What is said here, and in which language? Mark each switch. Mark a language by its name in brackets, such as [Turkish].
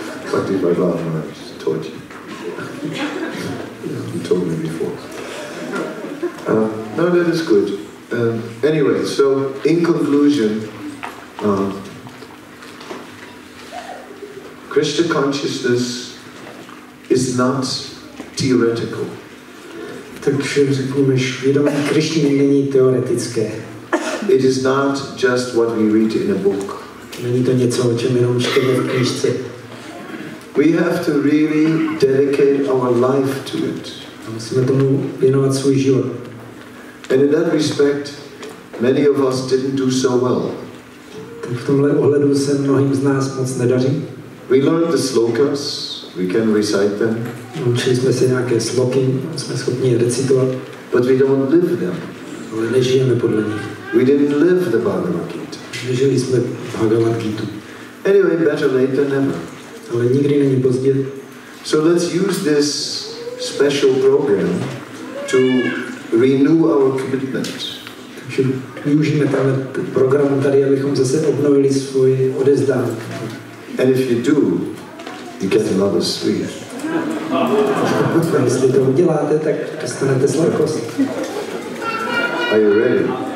[English] What did my mom when I was taught you? He told me before. No, that is good. Anyway, so in conclusion, Krishna consciousness is not theoretical. [Czech] Takže řekneme, že vědomí Krišny není teoretické. [English] It is not just what we read in a book. [Czech] Není to něco, o čem jenom čteme v knižce. [English] We have to really dedicate our life to it. [Czech] Musíme tomu věnovat svůj život. [English] And in that respect, many of us didn't do so well. [Czech] Tak v tomhle ohledu se mnohým z nás moc nedaří. [English] We learned the slokas. We can recite them. [Czech] Učili jsme se nějaké sloky, jsme schopni je recitovat. [English] But we don't live them. [Czech] Ale nežijeme podle nich. [English] We didn't live the Bhagavad Gita. [Czech] Nežili jsme Bhagavad Gita. [English] Anyway, better late than never. [Czech] Ale nikdy není pozdě. [English] So let's use this special program to renew our commitment. [Czech] Takže využijeme tenhle program tady, abychom zase obnovili svoji odevzdání. [English] And if you do, you get another sweet. [Czech] A jestli to uděláte, tak dostanete sladkost. [English] Are you ready?